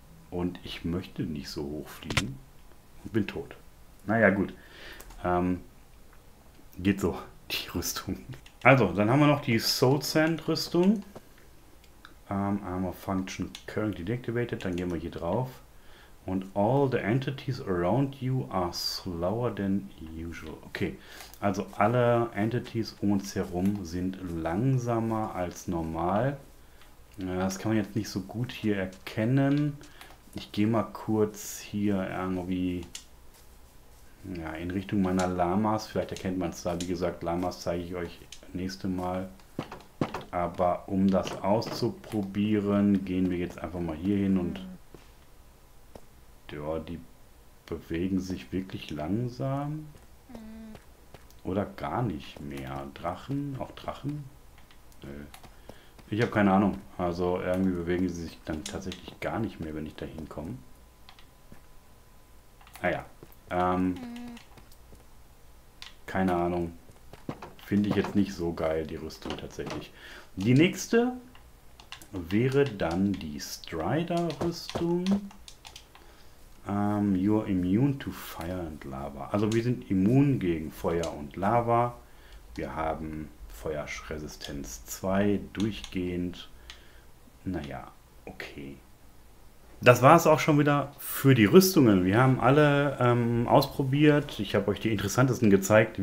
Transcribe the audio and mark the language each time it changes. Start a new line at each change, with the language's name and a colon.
German: Und ich möchte nicht so hoch fliegen. Und bin tot. Naja, gut. Geht so, die Rüstung. Also, dann haben wir noch die Soul Sand Rüstung.
English: Armor Function currently deactivated.
German: Dann gehen wir hier drauf.
English: Und all the entities around you are slower than usual.
German: Okay, also alle Entities um uns herum sind langsamer als normal. Das kann man jetzt nicht so gut hier erkennen. Ich gehe mal kurz hier irgendwie ja, in Richtung meiner Lamas. Vielleicht erkennt man es da. Wie gesagt, Lamas zeige ich euch nächste Mal. Aber um das auszuprobieren, gehen wir jetzt einfach mal hier hin und ja, die bewegen sich wirklich langsam oder gar nicht mehr. Drachen, auch Drachen? Nö. Ich habe keine Ahnung. Also irgendwie bewegen sie sich dann tatsächlich gar nicht mehr, wenn ich da hinkomme. Naja. Keine Ahnung. Finde ich jetzt nicht so geil, die Rüstung tatsächlich. Die nächste wäre dann die Strider-Rüstung.
English: You are immune to fire and lava.
German: Also wir sind immun gegen Feuer und Lava. Wir haben Feuerresistenz 2 durchgehend. Naja, okay. Das war es auch schon wieder für die Rüstungen. Wir haben alle ausprobiert. Ich habe euch die interessantesten gezeigt.